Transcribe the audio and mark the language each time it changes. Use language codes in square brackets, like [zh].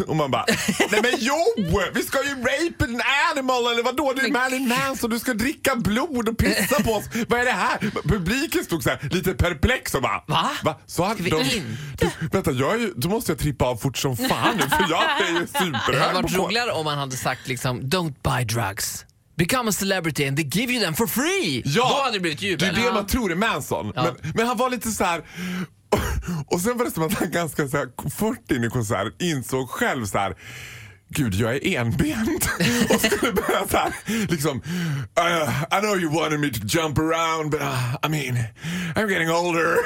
[sv] Och man bara, nej men jo, vi ska ju [en] rape an animal [sv] eller vadå, det är Marilyn Manson, du ska dricka blod och pissa på oss. Vad är det här? Publiken stod så här lite perplex och bara, va? Så han, ska vi inte? Vänta, jag är ju, då måste jag trippa av fort som fan nu, för jag är ju super. Det hade varit roligare om man hade sagt liksom, [en] don't buy drugs. Become a celebrity and they give you them for free. [sv] Ja, då hade det blivit jubel. Det är det man tror är Manson. Ja. Men han var lite så här. Och sen var det som att han ganska så här, fort in i konserten insåg själv så här: gud, jag är enbent. Och skulle börja så här, liksom, [en] I know you wanted me to jump around, but I mean, I'm getting older.